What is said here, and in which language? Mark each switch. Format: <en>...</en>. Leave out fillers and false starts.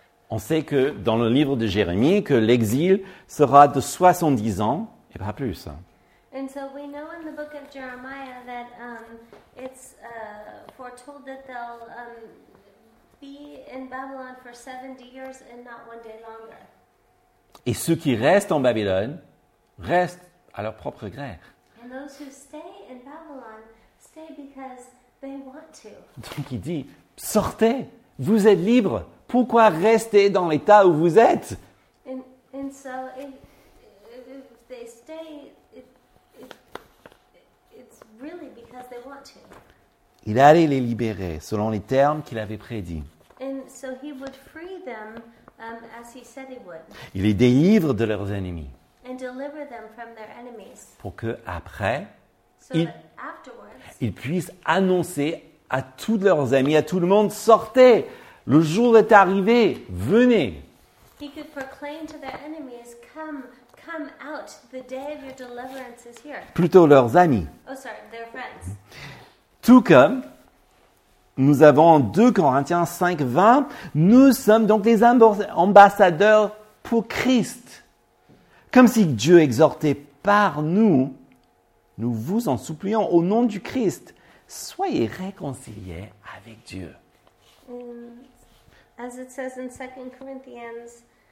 <fr>On sait que dans le livre de Jérémie, que l'exil sera de 70 ans et pas plus.</fr> <en>And so we know in the book of Jeremiah that it's foretold that they'll be in Babylon for 70 years and not one day longer.</en> <fr>Et ceux qui restent en Babylone restent à leur propre gré.</fr> <en>And those who stay in Babylon stay because they want to.</en> <fr>Donc il dit, sortez, vous êtes libres. Pourquoi rester dans l'état où vous êtes?</fr> <en>And so if they stay, it's really because they want to.</en> <fr>Il allait les libérer selon les termes qu'il avait prédits.</fr> <en>And so he would free them, as he said he would.</en> <fr>Il les délivre de leurs ennemis.</fr> <en>And deliver them from their enemies.</en> <fr>Pour qu'après,</fr> <en>afterwards,</en> <fr>ils puissent annoncer à tous leurs amis, à tout le monde, sortez! Le jour est arrivé, venez.</fr> <en>He could proclaim to their enemies, come, come out, the day of your deliverance is here.</en> <fr>Plutôt leurs amis.</fr> <en>Oh, sorry, their friends.</en> <fr>Tout comme nous avons en 2 Corinthiens 5, 20, nous sommes donc des ambassadeurs pour Christ. Comme si Dieu exhortait par nous, nous vous en supplions au nom du Christ, soyez réconciliés avec Dieu.</fr> <en>As it says in 2 Corinthians</en>